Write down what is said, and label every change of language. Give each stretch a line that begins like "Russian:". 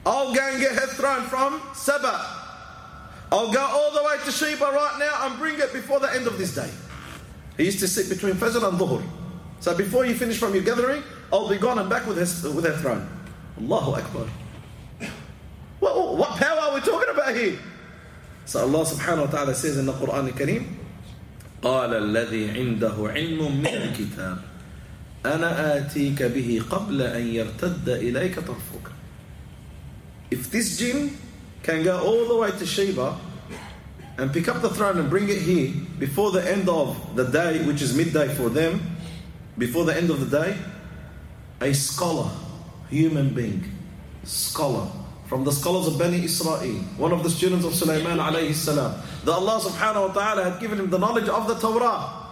English: I'll go and get her throne from Saba. I'll go all the way to Sheba right now and bring it before the end of this day. He used to sit between Fajr and Dhuhr. So before you finish from your gathering, I'll be gone and back with her throne. Allahu Akbar. What power are we talking about here? So Allah subhanahu wa ta'ala says in the Quran al-Kareem,
Arabic: قَالَ الَّذِي عِنْدَهُ عِلْمٌ مِنْ الْكِتَابِ أَنَا آتِيكَ بِهِ قَبْلَ أَنْ يَرْتَدَّ إِلَيْكَ طَرْفُكَ.
English: If this jinn can go all the way to Sheba and pick up the throne and bring it here before the end of the day, which is midday for them, before the end of the day, a scholar, human being, scholar, from the scholars of Bani Israel, one of the students of Sulaiman alayhi salam, that Allah subhanahu wa ta'ala had given him the knowledge of the Torah.